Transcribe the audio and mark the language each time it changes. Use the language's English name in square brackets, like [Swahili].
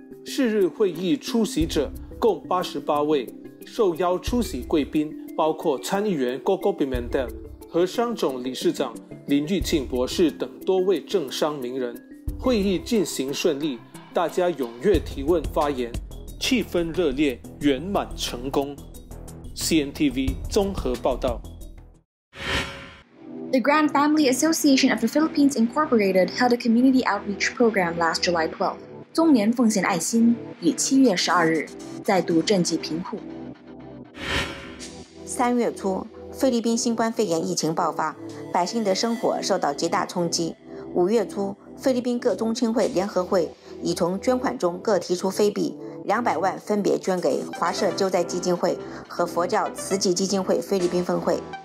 [Chinese] 是日会议出席者共88位，受邀出席贵宾包括参议员 Gogo Pimentel 和商总理事长林玉庆博士等多位政商名人。会议进行顺利，大家踊跃提问发言，气氛热烈，圆满成功。 CNTV 综合报道。 [English] The Grand Family Association of the Philippines Incorporated held a community outreach program last July 12. [Chinese] 中年奉献爱心于7月12日再度赈济贫苦。三月初，菲律宾新冠肺炎疫情爆发，百姓的生活受到极大冲击。五月初，菲律宾各宗亲会联合会已从捐款中各提出菲币200万，分别捐给华社救灾基金会和佛教慈济基金会菲律宾分会。